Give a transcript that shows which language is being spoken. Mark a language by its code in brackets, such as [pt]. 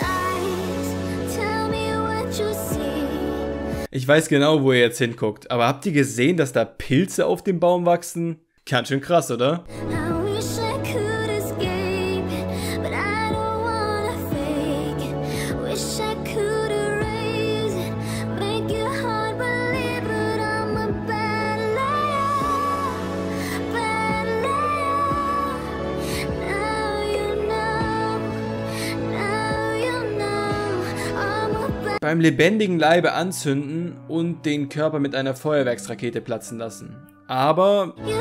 [en] eyes, tell me what you see. [de] Ich weiß genau, wo ihr jetzt hinguckt, aber habt ihr gesehen, dass da Pilze auf dem Baum wachsen? Ganz schön krass, oder? [en] I wish I could escape, but I don't wanna fake. Wish I could erase, make your heart believe, but I'm a bad liar, bad liar. Now you know, now you know, I'm a bad. [de] Beim lebendigen Leibe anzünden und den Körper mit einer Feuerwerksrakete platzen lassen. Aber...